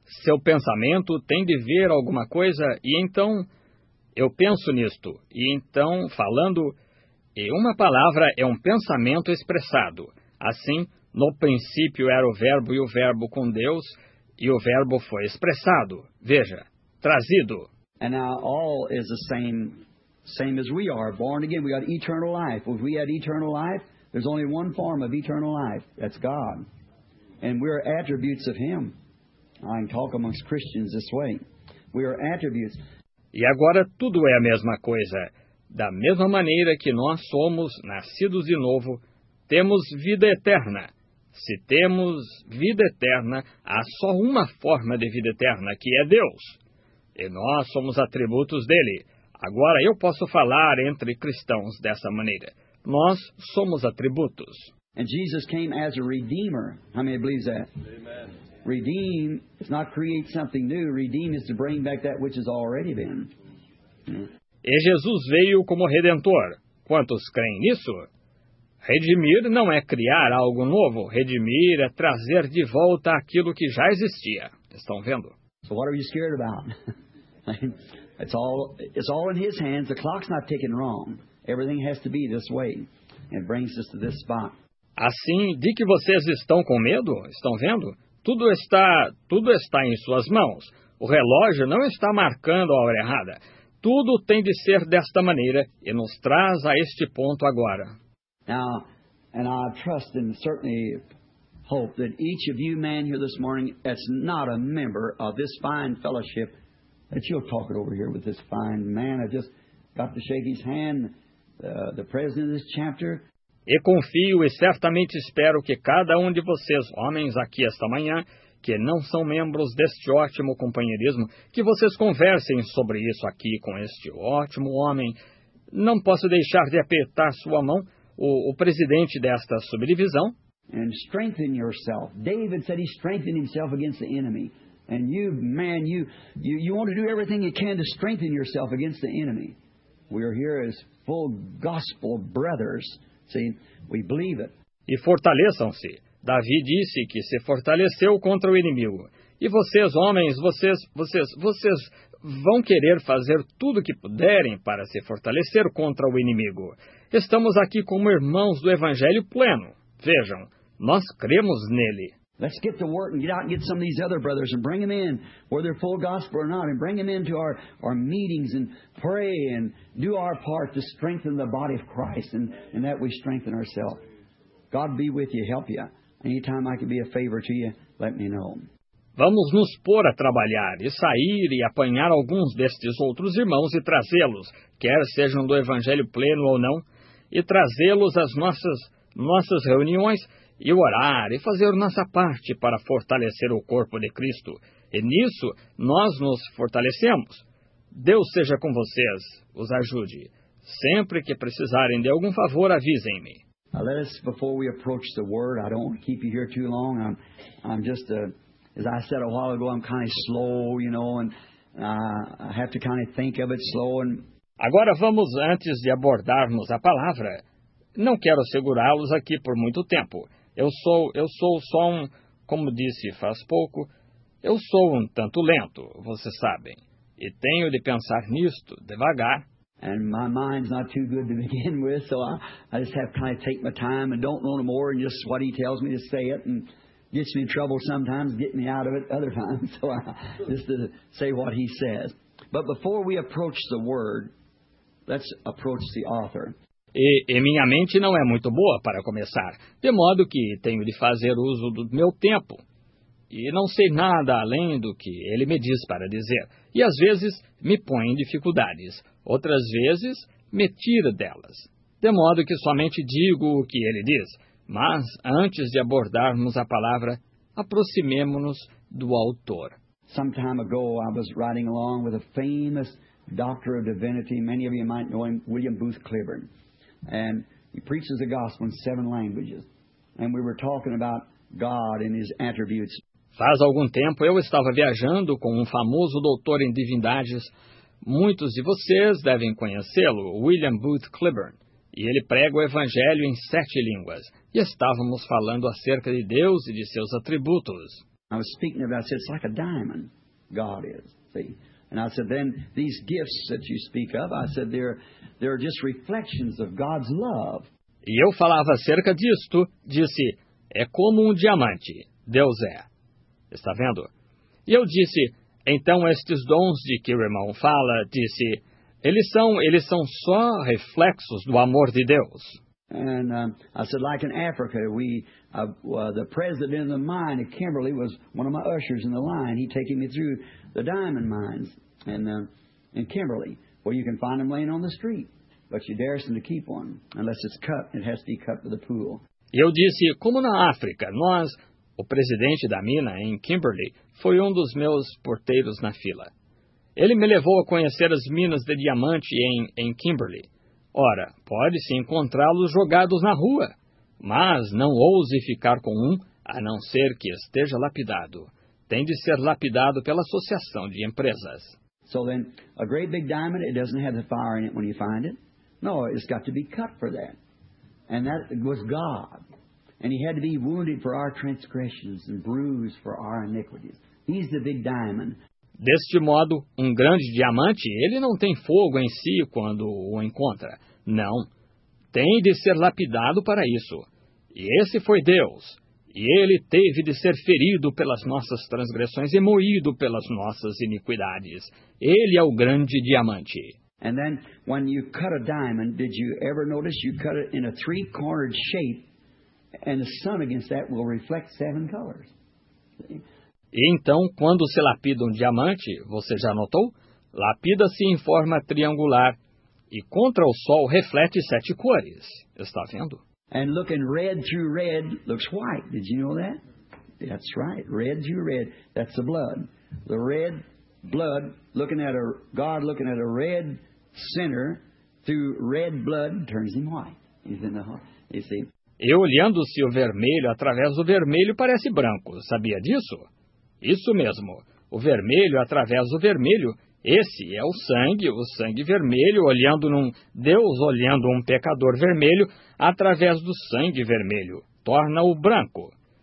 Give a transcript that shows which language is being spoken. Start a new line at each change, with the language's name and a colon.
Portuguese: Seu pensamento tem de ver alguma coisa, e então eu penso nisto. E então, falando, e uma palavra é um pensamento expressado. Assim, no princípio era o Verbo e o Verbo com Deus, e o Verbo foi expressado. Veja. Trazido.
English: And now all is the same as we are, born again. We got eternal life. If we had eternal life, there's only one form of eternal life. That's God. And we're attributes of Him. I can talk amongst Christians this way. We are attributes.
Portuguese: E agora tudo é a mesma coisa. Da mesma maneira que nós somos nascidos de novo, temos vida eterna. Se temos vida eterna, há só uma forma de vida eterna, que é Deus. E nós somos atributos dele. Agora eu posso falar entre cristãos dessa maneira. Nós somos atributos.
English: And Jesus came as a redeemer. How many believes that? Amen. Redeem is not create something new. Redeem is to bring back that which has already been.
Portuguese: E Jesus veio como redentor. Quantos creem nisso? Redimir não é criar algo novo. Redimir é trazer de volta aquilo que já existia. Estão vendo?
English: So what are you scared about? It's all in his hands. The clock's not ticking wrong. Everything has to be this way. It brings us to this spot.
Portuguese: Assim, de que vocês estão com medo? Estão vendo? Tudo está em suas mãos. O relógio não está marcando a hora errada. Tudo tem de ser desta maneira e nos traz a este ponto agora.
English: Now, and I trust and certainly hope that each of you men here this morning that's not a member of this fine fellowship, that you'll talk it over here with this fine man. I just got to shake his hand, the president of this chapter.
Portuguese: E confio e certamente espero que cada um de vocês, homens aqui esta manhã, que não são membros deste ótimo companheirismo, que vocês conversem sobre isso aqui com este ótimo homem. Não posso deixar de apertar sua mão, o presidente desta subdivisão.
English: And strengthen yourself. David said he strengthened himself against the enemy. And you, man, you want to do everything you can to strengthen yourself against the enemy. We are here as full gospel brothers. See, we believe it.
Portuguese: E fortaleçam-se. Davi disse que se fortaleceu contra o inimigo. E vocês, homens, vocês vão querer fazer tudo o que puderem para se fortalecer contra o inimigo. Estamos aqui como irmãos do Evangelho pleno. Vejam, nós cremos nele.
English: Let's get to work and get out and get some of these other brothers and bring them in, whether they're full gospel or not, and bring them into our meetings and pray and do our part to strengthen the body of Christ and that we strengthen ourselves. God be with you, help you. Anytime I can be a favor to you, let me know.
Portuguese: Vamos nos pôr a trabalhar e sair e apanhar alguns destes outros irmãos e trazê-los, quer sejam do Evangelho pleno ou não, e trazê-los às nossas reuniões e orar e fazer nossa parte para fortalecer o corpo de Cristo. E nisso, nós nos fortalecemos. Deus seja com vocês, os ajude. Sempre que precisarem de algum favor, avisem-me.
English: Let us, before we approach the word, I don't want to keep you here too long. I'm just, as I said a while ago, I'm kind of slow, you know, and I have to kind of think of it slow. And...
Portuguese: Agora vamos, antes de abordarmos a palavra, não quero segurá-los aqui por muito tempo. Eu sou só um, como disse faz pouco, eu sou um tanto lento, vocês sabem. E tenho de pensar nisto devagar.
English: And my mind's not too good to begin with, so I just have to kind of take my time and don't know no more and just what he tells me to say it and gets me in trouble sometimes, get me out of it other times, so I just to say what he says. But before we approach the word, let's approach the author.
Portuguese: E minha mente não é muito boa para começar, de modo que tenho de fazer uso do meu tempo. E não sei nada além do que ele me diz para dizer. E às vezes me põe em dificuldades, outras vezes me tira delas. De modo que somente digo o que ele diz. Mas antes de abordarmos a palavra, aproximemo-nos do autor.
English: Some time ago I was riding along with a famous doctor of divinity, many of you might know him, William Booth Cliburn. And he preaches the gospel in 7 languages. And we were talking about God and his attributes.
Portuguese: Faz algum tempo eu estava viajando com um famoso doutor em divindades. Muitos de vocês devem conhecê-lo, William Booth Cliburn. E ele prega o evangelho em 7 línguas. E estávamos falando acerca de Deus e de seus atributos.
English: I was speaking about, I said, it's like a diamond, God is, see? And I said, then these gifts that you speak of, I said, they're just reflections of God's love.
Portuguese: E eu falava acerca disto, disse, é como um diamante, Deus é. Está vendo? E eu disse, então estes dons de que o irmão fala, disse, eles são só reflexos do amor de Deus.
English: And I said, like in Africa, The president of the mine at Kimberly was one of my ushers in the line. He'd taken me through the diamond mines in Kimberly. Well, you can find them laying on the street, but you daresn't to keep one unless it's cut. It has to be cut for the pool.
Portuguese: Eu disse, como na África, nós, o presidente da mina em Kimberly, foi um dos meus porteiros na fila. Ele me levou a conhecer as minas de diamante em Kimberly. Ora, pode-se encontrá-los jogados na rua, mas não ouse ficar com um, a não ser que esteja lapidado. Tem de ser lapidado pela associação de empresas.
English: So then, a great big diamond, it doesn't have the fire in it when you find it. No, it's got to be cut for that. And that was God. And he had to be wounded for our transgressions and bruised for our iniquities. He's the big diamond.
Portuguese: Deste modo, um grande diamante, ele não tem fogo em si quando o encontra. Não. Tem de ser lapidado para isso. E esse foi Deus. E ele teve de ser ferido pelas nossas transgressões e moído pelas nossas iniquidades. Ele é o grande diamante.
English: And then, when you cut a diamond, did you ever notice you cut it in a three-cornered shape, and the sun against that will reflect seven colors?
Portuguese: E então, quando se lapida um diamante, você já notou? Lapida-se em forma triangular, e contra o sol reflete sete cores. Está vendo?
English: And looking red through red looks white. Did you know that? That's right. Red through red, that's the blood. The red blood, looking at a God, looking at a red sinner through red blood, turns him white. He's in the heart. You see?
Portuguese: E olhando-se o vermelho através do vermelho parece branco. Sabia disso? Isso mesmo. O vermelho através do vermelho, esse é o sangue vermelho, olhando num Deus, olhando um pecador vermelho, através do sangue vermelho, torna-o branco.